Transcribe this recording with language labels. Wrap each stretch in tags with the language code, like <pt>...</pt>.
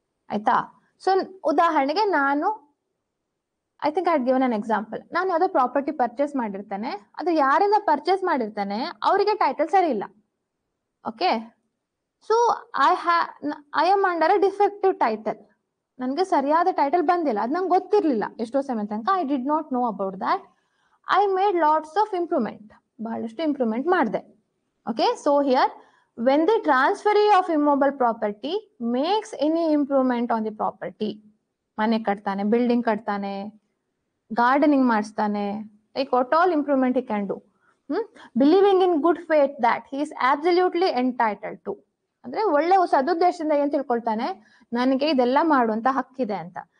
<kn>ಆಯ್ತಾ, ಸೊ ಉದಾಹರಣೆಗೆ ನಾನು I think I had given an example, ನಾನು ಯಾವುದೋ ಪ್ರಾಪರ್ಟಿ ಪರ್ಚೇಸ್ ಮಾಡಿರ್ತೇನೆ, ಅದು ಯಾರಿಂದ ಪರ್ಚೇಸ್ ಮಾಡಿರ್ತೇನೆ ಅವರಿಗೆ ಟೈಟಲ್ ಸರಿ ಇಲ್ಲ. Okay, so I am under a defective title, ನನಗೆ ಸರಿಯಾದ ಟೈಟಲ್ ಬಂದಿಲ್ಲ, ಅದು ನಂಗೆ ಗೊತ್ತಿರಲಿಲ್ಲ ಎಷ್ಟೋ ಸಮಯ ತನಕ. I did not know about that.</kn> <en>I made lots of improvement.</en> <kn>ಬಹಳಷ್ಟು ಇಂಪ್ರೂವ್ಮೆಂಟ್ ಮಾಡಿದೆ.</kn> <en>Okay, so here when the transferee of immovable property makes any improvement on the property, ಮನೆ ಕಟ್ತಾನೆ, building ಕಟ್ತಾನೆ, gardening ಮಾಡಿಸ್ತಾನೆ, like what all improvement he can do, believing in good faith that he is absolutely entitled to, ಅಂದ್ರೆ ಒಳ್ಳೆ ಸದುದ್ದೇಶದಿಂದ ಏನ್ ತಿಳ್ಕೊಳ್ತಾನೆ, ನನಗೆ ಇದೆಲ್ಲ ಮಾಡುವಂತ ಹಕ್ಕಿದೆ ಅಂತ.</en>